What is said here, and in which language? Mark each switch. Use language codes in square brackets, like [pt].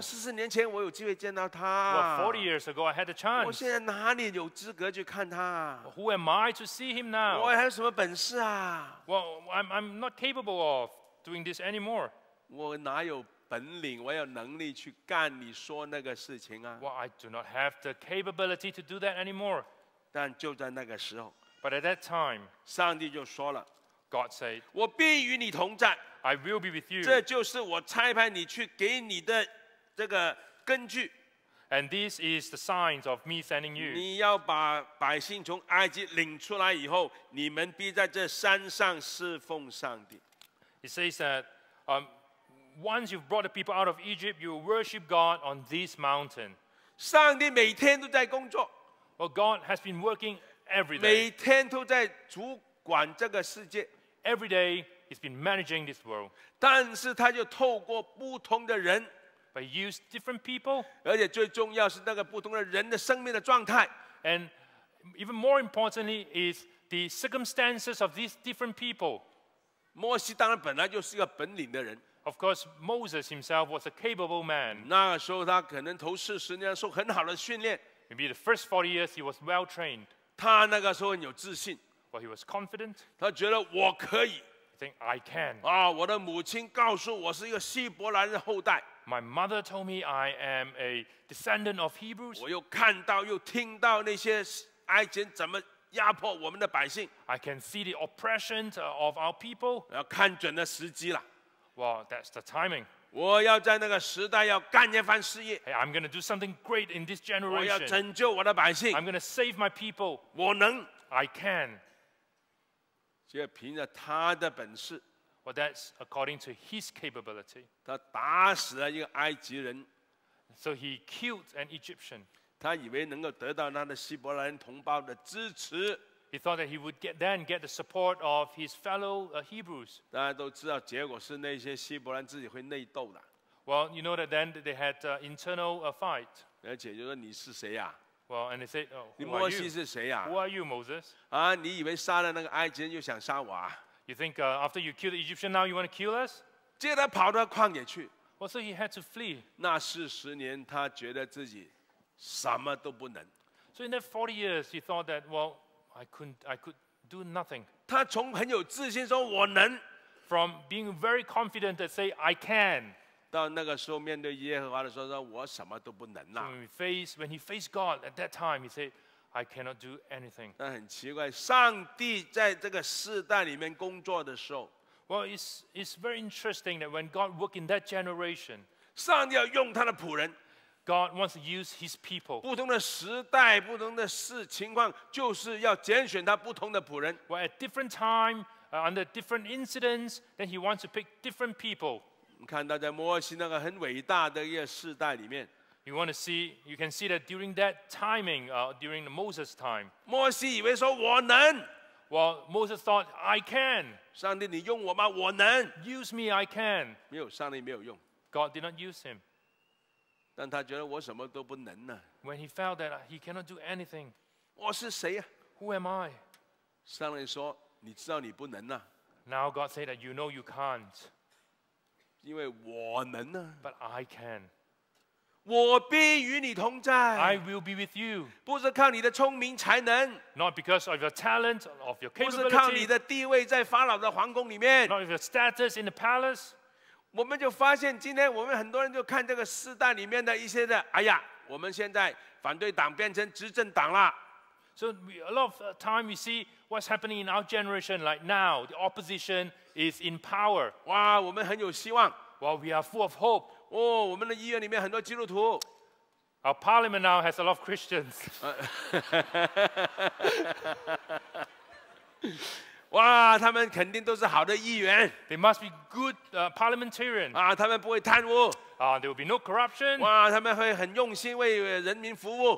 [zh] 四十年前我有机会见到他。 [en] Well, 40 years ago I had a chance。 [zh] 我现在哪里有资格去看他 [en] ？Who am I to see him now？ [zh] 我还有什么本事啊 [en] ？Well, I'm not capable of doing this anymore。 [zh] 我哪有本领？我有能力去干你说那个事情啊 [en] ？Well, I do not have the capability to do that anymore。 [zh] 但就在那个时候 [en] ，But at that time， [zh] 上帝就说了 [en] ，God said， [zh] 我必与你同在 [en] ，I will be with you， [zh] 这就是我差派你去给你的这个根据 [en] ，And this is the signs of me sending you。 [zh] 你要把百姓从埃及领出来以后，你们必在这山上侍奉上帝。 [en] He says that, once you've brought the people out of Egypt, you will worship God on this mountain。 [zh] 上帝每天都在工作。 [en] Well, God has been working every day. [zh] 每天都在主管这个世界。 [en] Every day, He's been managing this world. [zh] 但是他就透过不同的人 [en] ，but he used different people. [zh] 而且最重要是那个不同的人的生命的状态。 [en] And even more importantly is the circumstances of these different people. [zh] 摩西当然本来就是一个本领的人。 [en] Of course, Moses himself was a capable man. [zh] 那时候他可能头四十年受很好的训练。 [en] Maybe the first 40 years, he was well trained. [zh] 他那个时候很有自信。 [en] Well, he was confident. [zh] 他觉得我可以。 [en] He think I can. [zh] 啊，我的母亲告诉我是一个希伯来人的后代。 [en] My mother told me I am a descendant of Hebrews. [zh] 我又看到又听到那些埃及人怎么压迫我们的百姓。 [en] I can see the oppression of our people. [zh] 要看准了时机了。 [en] Well, that's the timing. [zh] 我要在那个时代要干一番事业。 [en] Hey, I'm going to do something great in this generation. [zh] 我要拯救我的百姓。 [en] I'm going to save my people. [zh] 我能。 [en] I can. [zh] 就凭着他的本事。 [en] Well, that's according to his capability. [zh] 他打死了一个埃及人。 [en] So he killed an Egyptian. [zh] 他以为能够得到他的希伯来人同胞的支持。 [en] He thought that he would get the support of his fellow Hebrews. [zh] 大家都知道，结果是那些希伯兰自己会内斗的。 [en] Well, you know that then they had internal fight. [zh] 而且就说你是谁呀、啊、 [en] ？Well, and they said,、oh, "Who are you?" [zh] 你摩西是谁呀、啊、 [en] ？Who are you, Moses? [zh] 啊，你以为杀了那个埃及人又想杀我啊 [en] ？You think after you killed the Egyptian, now you want to kill us? [zh] 接着跑到旷野去。 [en] Well, so he had to flee. [zh] 那四十年，他觉得自己什么都不能。 [en] So in that 40 years, he thought that well. I could do nothing. [zh] 他从很有自信说我能 [en] ，from being very confident to say I can. [zh] 到那个时候面对耶和华的时候说我什么都不能了。 [en] When he faced God at that time, he said, I cannot do anything. [zh] 但很奇怪，上帝在这个世代里面工作的时候 [en] ，well, it's very interesting that when God worked in that generation, [zh] 上帝要用他的仆人 [en] God wants to use His people. [zh] 不同的时代，不同的事情况，就是要拣选他不同的仆人。 [en] Well, at different time, under different incidents, then He wants to pick different people. [zh] 你看到在摩西那个很伟大的一个世代里面。 [en] You want to see, you can see that during that timing, during the Moses time. [zh] 摩西以为说我能。 [en] Well, Moses thought, I can. [zh] 上帝你用我吗？我能。 [en] Use me, I can. [zh] 没有，上帝没有用。 [en] God did not use him. [zh] 但他觉得我什么都不能呢。 [en] When he felt that he cannot do anything. [zh] 我是谁啊？ [en] Who am I? [zh] 上帝说，你知道你不能啊。 [en] Now God said that you know you can't. [zh] 因为我能啊。 [en] But I can. [zh] 我必与你同在。 [en] I will be with you. [zh] 不是靠你的聪明才能。 [en] Not because of your talent, of your capability. [zh] 不是靠你的地位在法老的皇宫里面。 [en] Not of your status in the palace. [zh] 我们就发现今天我们很多人就看这个世代里面的一些的，哎呀，我们现在反对党变成执政党了。 [en] So a lot of time we see what's happening in our generation like now. The opposition is in power. [zh] 哇，我们很有希望。 [en] Well, we are full of hope. [zh] Oh, 我们的医院里面很多基督徒。 [en] Our parliament now has a lot of Christians. [zh] 哇，他们肯定都是好的议员。 [en] They must be good parliamentarians. [zh] 啊，他们不会贪污。 [en] There will be no corruption. [zh] 哇，他们会很用心为人民服务。